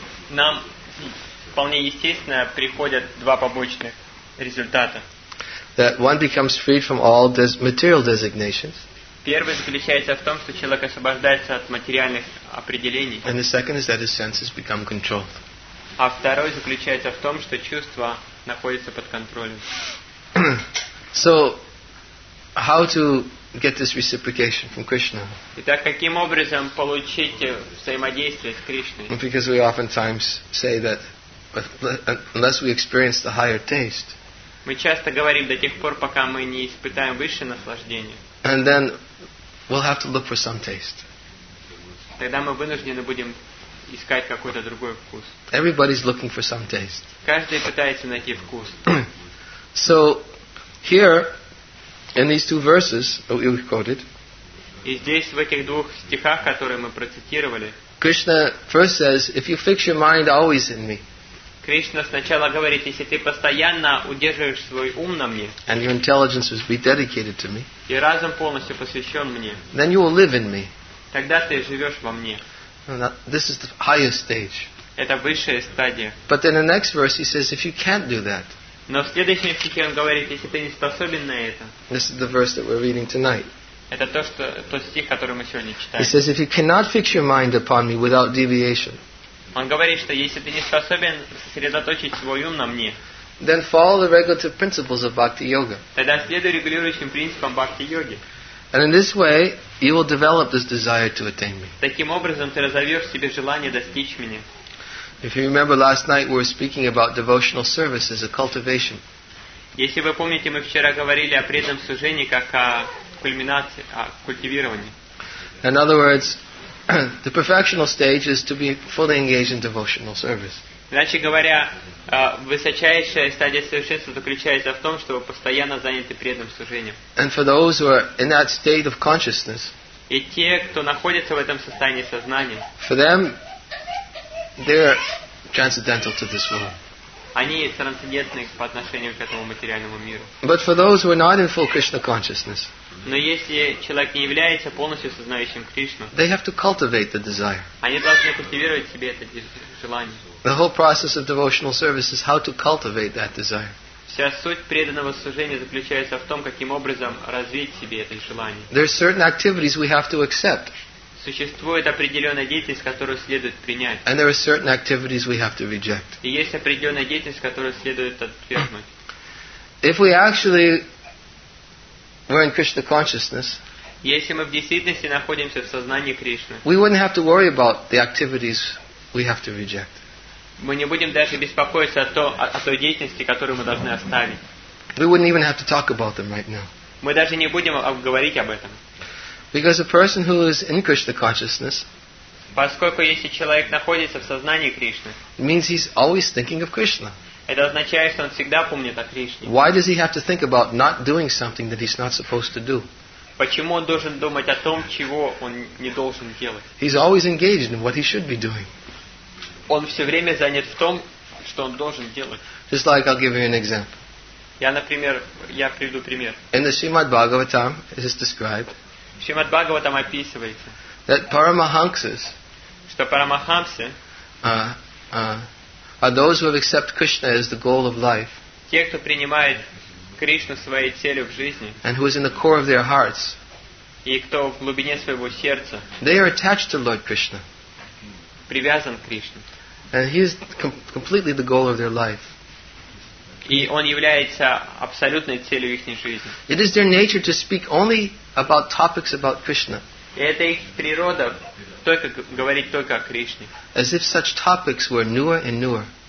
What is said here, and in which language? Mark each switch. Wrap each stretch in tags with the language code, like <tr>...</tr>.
<ru>Нам вполне естественно приходят два побочных результата.</ru> <en>That one becomes freed from all material designations.</en> <ru>Первый заключается в том, что человек освобождается от материальных определений.</ru> <en>And the second is that his senses become controlled.</en> <ru>А второй заключается в том, что чувства находятся под контролем.</ru> <en>So, how to get this reciprocation from Krishna?</en> <ru>Итак, каким образом получить взаимодействие с Кришной?</ru> <en>Because we oftentimes say that unless we experience the higher taste.</en> <ru>Мы часто говорим до тех пор, пока мы не испытаем высшее наслаждение.</ru> <en>And then we'll have to look for some taste.</en> <ru>Тогда мы вынуждены будем искать какой-то другой вкус.</ru> <en>Everybody's looking for some taste.</en> <ru>Каждый пытается найти вкус.</ru> <en>So here in these two verses that we quoted,</en> <ru>и здесь в этих двух стихах, которые мы процитировали,</ru> <en>Krishna first says, if you fix your mind always in me.</en> <ru>Кришна сначала говорит, если ты постоянно удерживаешь свой ум на мне,</ru> <en>and your intelligence will be dedicated to me,</en> <ru>и разум полностью посвящен мне,</ru> <en>then you will live in me.</en> <ru>Тогда ты живешь во мне.</ru> <en>This is the highest stage.</en> <ru>Это высшая стадия.</ru> <en>But then the next verse he says, if you can't do that.</en> <ru>Но в следующем стихе он говорит, если ты не способен на это.</ru> <en>This is the verse that we're reading tonight.</en> <ru>Это тот стих, который мы сегодня читаем.</ru> <en>He says, if you cannot fix your mind upon me without deviation.</en> <ru>Он говорит, что если ты не способен сосредоточить свой ум на мне.</ru> <en>Then follow the regulative principles of bhakti yoga.</en> <ru>Тогда следуй регулирующим принципам бхакти йоги.</ru> <en>And in this way, you will develop this desire to attain me.</en> <ru>Таким образом ты разовьешь в себе желание достичь меня.</ru> <en>If you remember last night, we were speaking about devotional service as a cultivation.</en> <ru>Если вы помните, мы вчера говорили о преданном служении как о кульминации, о культивировании.</ru> <en>In other words, the perfectional stage is to be fully engaged in devotional service.</en> <ru>Иначе говоря, высочайшая стадия совершенства заключается в том, что вы постоянно заняты преданным служением.</ru> <en>And for those who are in that state of consciousness,</en> <ru>и те, кто находится в этом состоянии сознания,</ru> <en>for them, they're transcendental to this world.</en> <ru>Они трансцендентны по отношению к этому материальному миру.</ru> <en>But for those who are not in full Krishna consciousness,</en> <ru>но если человек не является полностью сознающим Кришну,</ru> <en>they have to cultivate the desire.</en> <ru>Они должны культивировать себе это желание.</ru> <en>The whole process of devotional service is how to cultivate that desire.</en> <ru>Вся суть преданного служения заключается в том, каким образом развить себе это желание.</ru> <en>There are certain activities we have to accept.</en> <ru>Существует определенная деятельность, которую следует принять.</ru> <en>And there are certain activities we have to reject.</en> <ru>И есть определенная деятельность, которую следует отвергнуть.</ru> <en>If we actually were in Krishna consciousness,</en> <ru>если мы в действительности находимся в сознании Кришны,</ru> <en>we wouldn't have to worry about the activities we have to reject.</en> <ru>Мы не будем даже беспокоиться о той деятельности, которую мы должны оставить.</ru> <en>We wouldn't even have to talk about them right now.</en> <ru>Мы даже не будем говорить об этом.</ru> <en>Because a person who is in Krishna consciousness,</en> <ru>поскольку если человек находится в сознании Кришны,</ru> <en>means he's always thinking of Krishna.</en> <ru>Это означает, что он всегда помнит о Кришне.</ru> <en>Why does he have to think about not doing something that he's not supposed to do?</en> <ru>Почему он должен думать о том, чего он не должен делать?</ru> <en>He's always engaged in what he should be doing.</en> <ru>Он все время занят в том, что он должен делать.</ru> <en>Just like I'll give you an example.</en> <ru>Я, например, я приведу пример.</ru> <en>In the Srimad Bhagavatam, it is described.</en> <ru>Шримад Бхагава там описывается.</ru> <en>That Paramahamsas.</en> <ru>Что Парамахамсы?</ru> <en>Are those who accept Krishna as the goal of life.</en> <ru>Те, кто принимает Кришну своей целью в жизни.</ru> <en>And who is in the core of their hearts.</en> <ru>И кто в глубине своего сердца.</ru> <en>They are attached to Lord Krishna.</en> <ru>Привязан к Кришне.</ru> <en>And he is completely the goal of their life.</en> <ru>И он является абсолютной целью их жизни.</ru> <en>It is their nature to speak only about topics about Krishna.</en> <ru>И это их природа только говорить только о Кришне.</ru> <en>As if such topics were newer and newer.</en>